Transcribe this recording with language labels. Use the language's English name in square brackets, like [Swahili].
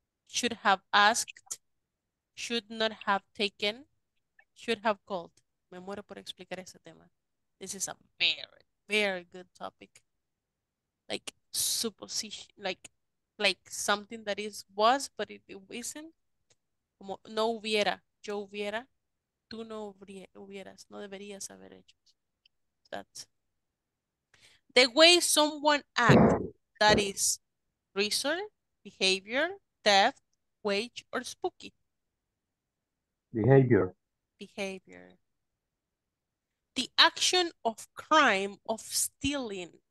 [English] Should have asked, should not have taken, should have called. [Spanish] Me muero por explicar ese tema. [English] This is a very, very good topic. Like supposition, like something that is was, but it isn't. [Spanish] Como no hubiera, yo hubiera, tú no hubieras, no deberías haber hecho. [English] That's the way someone acts, that is reason, behavior, theft, wage, or spooky? Behavior. The action of crime of stealing.